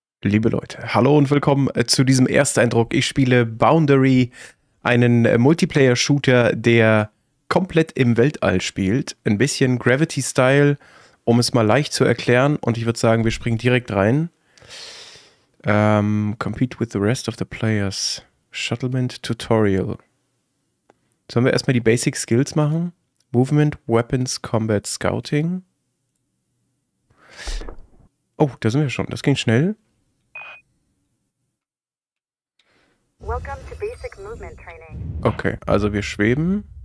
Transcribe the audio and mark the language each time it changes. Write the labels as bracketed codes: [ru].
[de] Liebe Leute, hallo und willkommen zu diesem Ersteindruck. Ich spiele Boundary, einen Multiplayer-Shooter, der komplett im Weltall spielt. Ein bisschen Gravity-Style, um es mal leicht zu erklären. Und ich würde sagen, wir springen direkt rein. [en] Compete with the rest of the players. Shuttlement Tutorial. [de] Sollen wir erstmal die Basic Skills machen? [en] Movement, Weapons, Combat, Scouting. [de] Oh, da sind wir schon. Das ging schnell. [en] Welcome to Basic Movement Training. Okay, [de] also wir schweben.